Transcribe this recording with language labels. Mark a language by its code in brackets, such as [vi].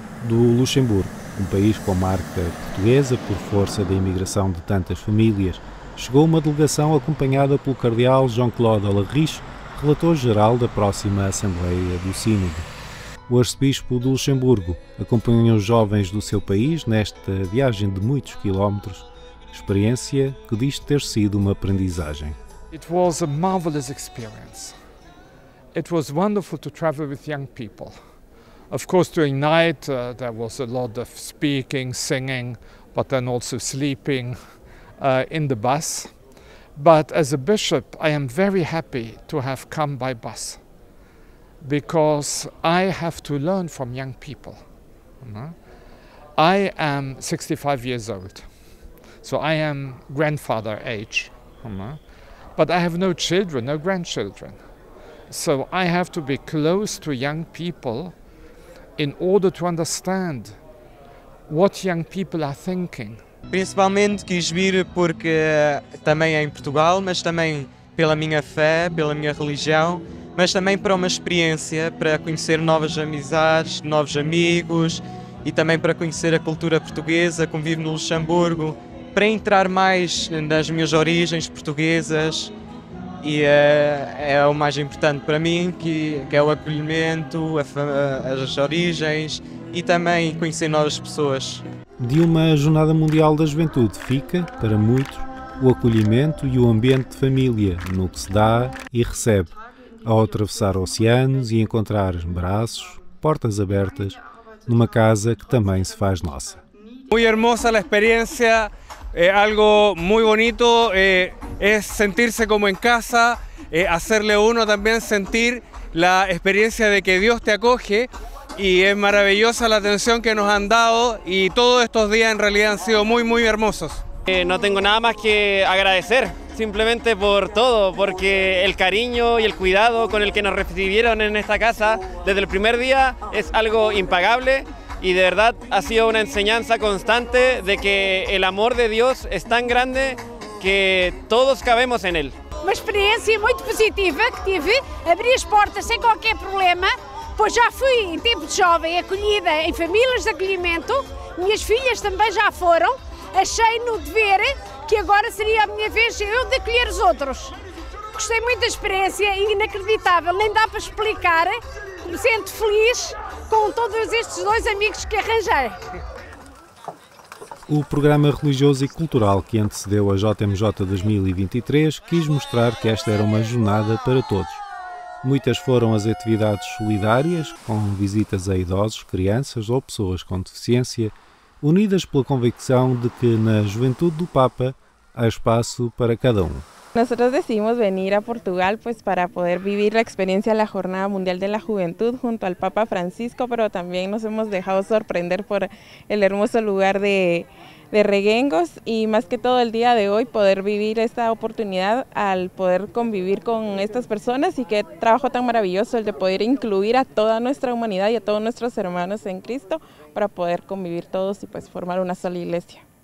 [pt] Do Luxemburgo, um país com marca portuguesa por força da imigração de tantas famílias, chegou uma delegação acompanhada pelo cardeal Jean-Claude Alarriche, relator-geral da próxima Assembleia do Sínodo. O arcebispo do Luxemburgo acompanhou os jovens do seu país nesta viagem de muitos quilómetros, experiência que diz ter sido uma aprendizagem. [en] It was a marvelous experience. It was wonderful to travel with young people. Of course, during night there was a lot of speaking, singing, but then also sleeping in the bus. But as a bishop, I am very happy to have come by bus, because I have to learn from young people. I am 65 years old. So I am grandfather age, but I have no children, no grandchildren. So I have to be close to young people in order to understand what young people are thinking. [pt] Principalmente quis vir porque também é em Portugal, mas também pela minha fé, pela minha religião, mas também para uma experiência, para conhecer novas amizades, novos amigos e também para conhecer a cultura portuguesa, convivo no Luxemburgo. Para entrar mais nas minhas origens portuguesas, e é o mais importante para mim, que é o acolhimento, as origens, e também conhecer novas pessoas. De uma Jornada Mundial da Juventude fica, para muitos, o acolhimento e o ambiente de família no que se dá e recebe, ao atravessar oceanos e encontrar braços, portas abertas, numa casa que também se faz nossa. Muito hermosa a experiência, algo muito bonito é sentir-se como em casa, [es] hacerle uno también sentir la experiencia de que Dios te acoge, y es maravillosa la atención que nos han dado, y todos estos días en realidad han sido muy muy hermosos. No tengo nada más que agradecer, simplemente por todo, porque el cariño y el cuidado con el que nos recibieron en esta casa desde el primer día es algo impagable, y de verdad ha sido una enseñanza constante de que el amor de Dios es tan grande que todos cabemos en él. [pt] Uma experiência muito positiva que tive, abri as portas sem qualquer problema, pois já fui em tempo de jovem acolhida em famílias de acolhimento, minhas filhas também já foram, achei no dever que agora seria a minha vez eu de acolher os outros. Gostei muito da experiência, inacreditável, nem dá para explicar, me sinto feliz com todos estes dois amigos que arranjei. O programa religioso e cultural que antecedeu a JMJ 2023 quis mostrar que esta era uma jornada para todos. Muitas foram as atividades solidárias, com visitas a idosos, crianças ou pessoas com deficiência, unidas pela convicção de que na juventude do Papa há espaço para cada um. [es] Nosotros decidimos venir a Portugal pues para poder vivir la experiencia de la Jornada Mundial de la Juventud junto al Papa Francisco, pero también nos hemos dejado sorprender por el hermoso lugar de Reguengos y más que todo el día de hoy poder vivir esta oportunidad al poder convivir con estas personas y qué trabajo tan maravilloso el de poder incluir a toda nuestra humanidad y a todos nuestros hermanos en Cristo para poder convivir todos y pues formar una sola iglesia.